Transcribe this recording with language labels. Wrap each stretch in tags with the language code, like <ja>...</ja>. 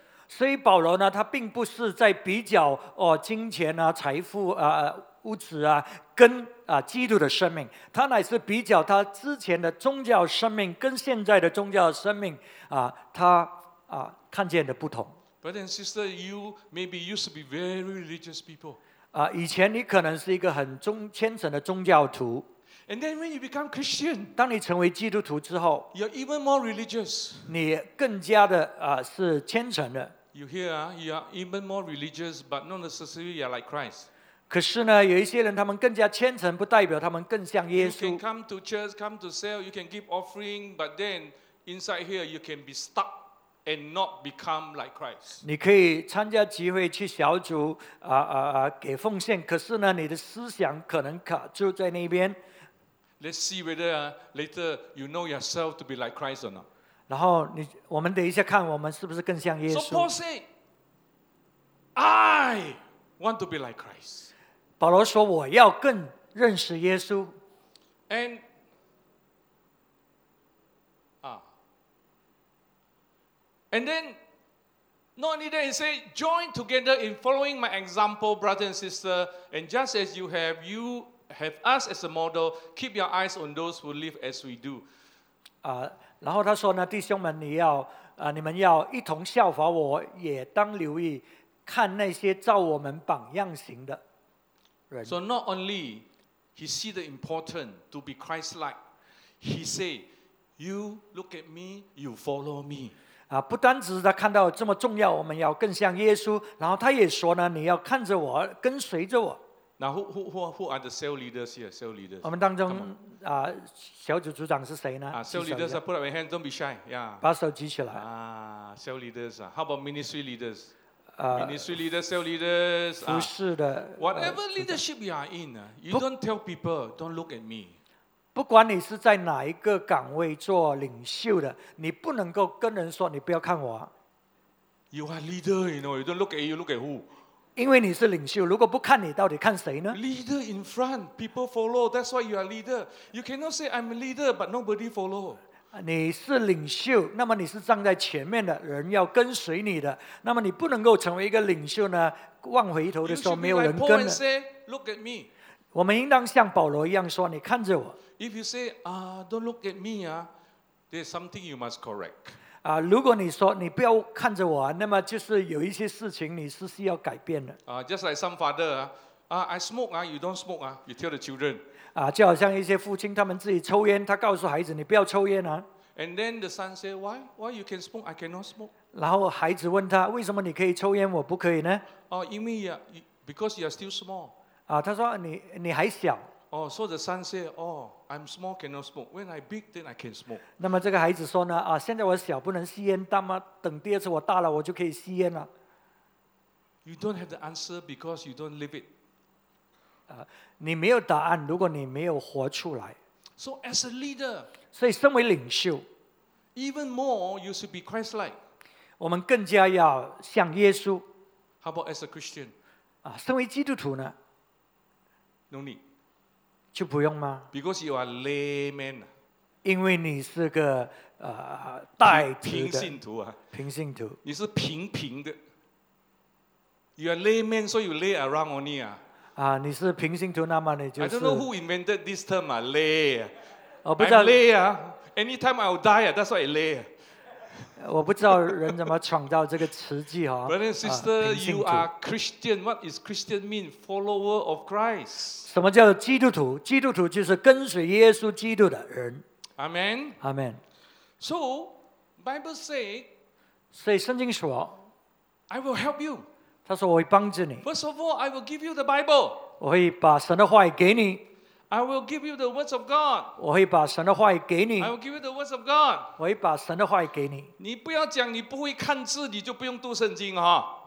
<zh>所以保罗呢，他并不是在比较哦金钱啊、财富啊、物质啊，跟啊基督的生命，他乃是比较他之前的宗教生命跟现在的宗教生命啊，他啊看见的不同。</zh> <en>Brother and sister, you maybe used to be very religious people.</en> <zh>啊，以前你可能是一个很虔诚的宗教徒。</zh> <en>And then when you become Christian,</en> <zh>当你成为基督徒之后</zh> <en>you're even more religious.</en> <zh>你更加的是虔诚的。</zh> <en>You hear, you are even more religious, but not necessarily you are like Christ.</en> <zh>可是呢，有一些人他们更加虔诚，不代表他们更像耶稣。</zh> <en>You can come to church, come to cell, you can give offering, but then inside here you can be stuck and not become like Christ.</en> <zh>你可以参加集会去小组给奉献，可是呢，你的思想可能卡住在那边。</zh> <en>Let's see whether later you know yourself to be like Christ or not.</en> <zh>然后你，我们等一下看我们是不是更像耶稣。</zh> <en>So Paul said, "I want to be like Christ."</en> <zh>保罗说我要更认识耶稣。</zh> <en>And and then not only that, he said, "Join together in following my example, brother and sister, and just as you have you." Have us as a model. Keep your eyes on those who live as we do.</en> <zh>然后他说呢，弟兄们，你们要一同效法我，也当留意看那些照我们榜样行的人。</zh> <en>So not only he see the important to be Christ-like, he say, "You look at me, you follow me."</en> <zh>不单只是他看到这么重要，我们要更像耶稣。然后他也说呢，你要看着我，跟随着我。</zh> <en>Now who are the sale leaders here? Sale leaders.</en> <zh>我们当中啊，小组组长是谁呢？</zh> <en>Sale leaders, put up your hand. Don't be shy. Yeah.</en> <zh>把手举起来。</zh> <en>Sale leaders. How about ministry leaders? Ministry leaders, sale leaders.</en> <zh>服事的。</zh> <en>Whatever leadership you are in, you don't tell people, don't look at me.</en> <zh>不管你是在哪一个岗位做领袖的，你不能够跟人说你不要看我。</zh> <en>You are leader, you know. You don't look at you, look at who?</en> <zh>因为你是领袖，如果不看你，到底看谁呢</zh> <en>？Leader in front, people follow. That's why you are leader. You cannot say I'm a leader, but nobody follow.</en> <zh>你是领袖，那么你是站在前面的，人要跟随你的。那么你不能够成为一个领袖呢？望回头的时候没有人跟了。</zh> <en>You should be like Paul and say, "Look at me."</en> <zh>我们应当像保罗一样说：“你看着我。</zh> <en>”If you say, "Don't look at me," there's something you must correct.</en> <zh>如果你说你不要看着我，那么就是有一些事情你是需要改变的。</zh> <en>Just like some father, I smoke, you don't smoke, you tell the children.</en> <zh>就好像一些父亲他们自己抽烟，他告诉孩子你不要抽烟啊。</zh> <en>And then the son say, "Why? Why you can smoke, I cannot smoke?"</en> <zh>然后孩子问他，为什么你可以抽烟，我不可以呢？因为</zh> <en>because you are still small.</en> <zh>他说你还小。</zh> <en>Oh, so the son said, oh, I'm small, cannot smoke. When I big, then I can smoke.</en> <zh>那么这个孩子说呢, 啊, 现在我小不能吸烟, 等第二次我大了我就可以吸烟了。</zh> <en>You don't have the answer because you don't live it.</en> <zh>你没有答案, 如果你没有活出来。</zh> <en>So as a leader,</en> <zh>所以身为领袖,</zh> <en>even more, you should be Christ-like.</en> <zh>我们更加要像耶稣。</zh> <en>How about as a Christian?</en> <zh>啊, 身为基督徒呢?</zh> <en>No need.</en> <zh>就不用吗?</zh> <en>Because you are layman.</en> <zh>因为你是个, 呃, 代职的, 平信徒, 啊, 平信徒。你是平平的。</zh> <en>You are layman, so you lay around only. 啊,</en> <zh>啊, 你是平信徒, 那么你就是,</zh> <en>I don't know who invented this term, 啊, lay. I'm lay. 啊, anytime I'll die, 啊, that's why I lay.</en> <zh>我不知道人怎么创造这个词句, 哦,</zh> <en>Brother and sister, 啊, you are Christian. What is Christian mean? Follower of Christ.</en> <zh>什么叫基督徒? 基督徒就是跟随耶稣基督的人。</zh> <en>Amen. Amen. So, Bible said,</en> <zh>所以圣经说,</zh> <en>I will help you.</en> <zh>他说我会帮助你。</zh> <en>First of all, I will give you the Bible.</en> <zh>我会把神的话语给你。</zh> <en>I will give you the words of God.</en> <zh>我会把神的话语给你。</zh> <en>I will give you the words of God.</en> <zh>我会把神的话语给你。你不要讲你不会看字，你就不用读圣经哦。</zh>